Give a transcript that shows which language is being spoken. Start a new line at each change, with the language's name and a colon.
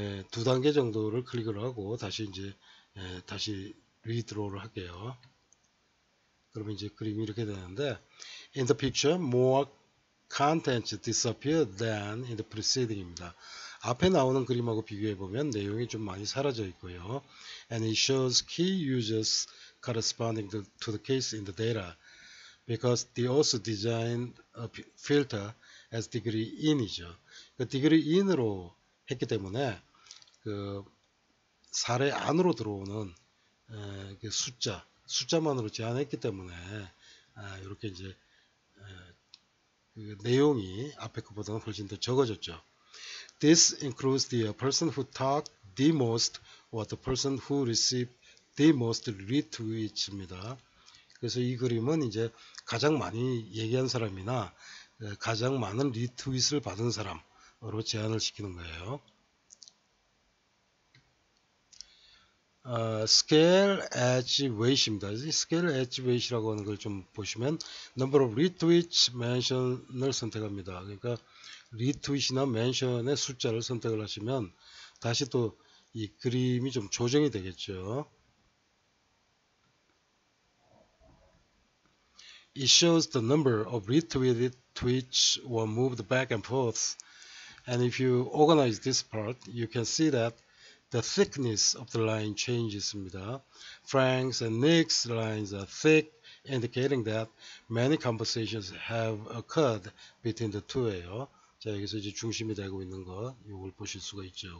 Korean: 두 단계 정도를 클릭을 하고 다시 이제 다시 redraw를 할게요. 그러면 이제 그림이 이렇게 되는데
English: In the picture, more contents disappear than in the preceding입니다.
Korean: 앞에 나오는 그림하고 비교해보면 내용이 좀 많이 사라져 있고요.
English: And it shows key users corresponding to the case in the data. Because they also designed a filter as degree in
Korean: 이죠. 그 degree in으로 했기 때문에 그 사례 안으로 들어오는 그 숫자만으로 제한했기 때문에 이렇게 이제 그 내용이 앞에 것보다는 훨씬 더 적어졌죠.
English: This includes the person who talked the most or the person who received the most retweets
Korean: 입니다. 그래서 이 그림은 이제 가장 많이 얘기한 사람이나 가장 많은 리트윗을 받은 사람으로 제한을 시키는 거예요.
English: Scale edge weight입니다. Scale edge weight
Korean: 라고 하는 걸 좀 보시면
English: number of retweets mention을 선택합니다.
Korean: 그러니까 retweet이나 mention의 숫자를 선택을 하시면 다시 또 이 그림이 좀 조정이 되겠죠.
English: It shows the number of retweeted tweets were moved back and forth. And if you organize this part, you can see that the thickness of the line changes
Korean: 입니다.
English: Frank's and Nick's lines are thick, indicating that many conversations have occurred between the two
Korean: 예요. 자, 여기서 이제 중심이 되고 있는 거, 이걸 보실 수가 있죠.